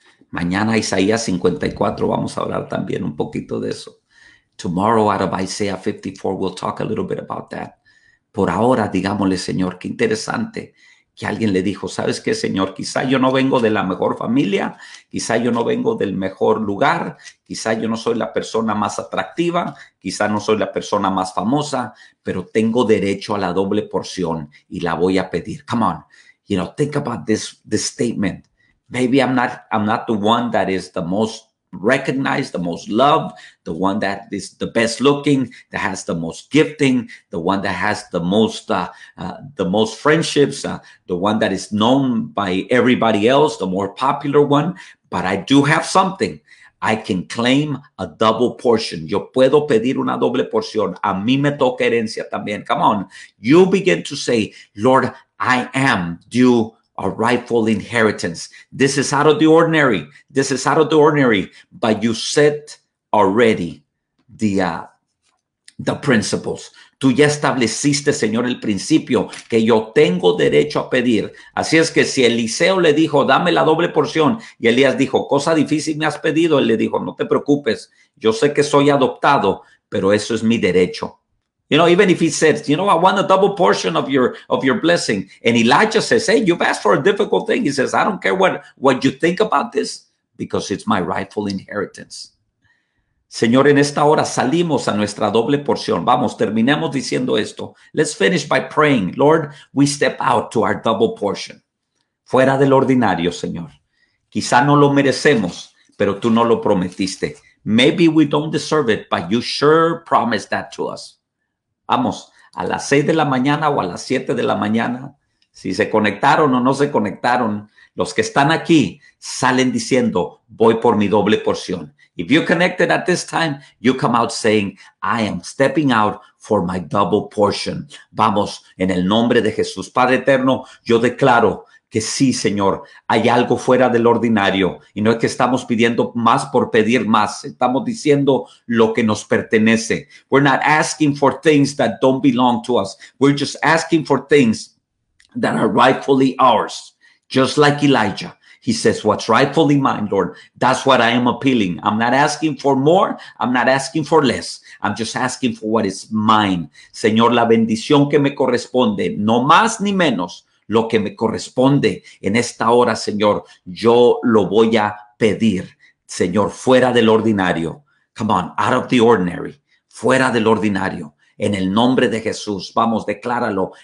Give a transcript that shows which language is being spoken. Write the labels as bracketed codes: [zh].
[es] Mañana Isaías 54, vamos a hablar también un poquito de eso. [en] Tomorrow out of Isaiah 54, we'll talk a little bit about that. [es] Por ahora, digámosle, Señor, qué interesante que alguien le dijo, ¿sabes qué, Señor? Quizá yo no vengo de la mejor familia, quizá yo no vengo del mejor lugar, quizá yo no soy la persona más atractiva, quizá no soy la persona más famosa, pero tengo derecho a la doble porción y la voy a pedir. [en] Come on, you know, think about this statement. Maybe I'm not the one that is the most recognized, the most loved, the one that is the best looking, that has the most gifting, the one that has the most friendships, the one that is known by everybody else, the more popular one. But I do have something. I can claim a double portion. [es] Yo puedo pedir una doble porción. A mí me toca herencia también. [en] Come on. You begin to say, Lord, I am due a rightful inheritance. This is out of the ordinary. This is out of the ordinary. But you set already the principles. [es] Tú ya estableciste, Señor, el principio que yo tengo derecho a pedir. Así es que si Eliseo le dijo, dame la doble porción, y Elías dijo, cosa difícil me has pedido, él le dijo, no te preocupes, yo sé que soy adoptado, pero eso es mi derecho. [en] You know, even if he says, you know, I want a double portion of your blessing. And Elijah says, hey, you've asked for a difficult thing. He says, I don't care what you think about this because it's my rightful inheritance. [es] Señor, en esta hora salimos a nuestra doble porción. Vamos, terminemos diciendo esto. [en] Let's finish by praying. Lord, we step out to our double portion. [es] Fuera del ordinario, Señor. Quizá no lo merecemos, pero tú no lo prometiste. [en] Maybe we don't deserve it, but you sure promised that to us. [es] Vamos, a las 6 de la mañana o a las 7 de la mañana, si se conectaron o no se conectaron, los que están aquí salen diciendo, voy por mi doble porción. [en] If you connected at this time, you come out saying, I am stepping out for my double portion. [es] Vamos, en el nombre de Jesús, Padre eterno, yo declaro que sí, Señor, hay algo fuera del ordinario. Y no es que estamos pidiendo más por pedir más. Estamos diciendo lo que nos pertenece. [en] We're not asking for things that don't belong to us. We're just asking for things that are rightfully ours. Just like Elijah. He says, what's rightfully mine, Lord, that's what I am appealing. I'm not asking for more. I'm not asking for less. I'm just asking for what is mine. [es] Señor, la bendición que me corresponde, no más ni menos. Lo que me corresponde en esta hora, Señor, yo lo voy a pedir, Señor, fuera del ordinario. [en] Come on, out of the ordinary, [es] fuera del ordinario. En el nombre de Jesús, vamos, decláralo.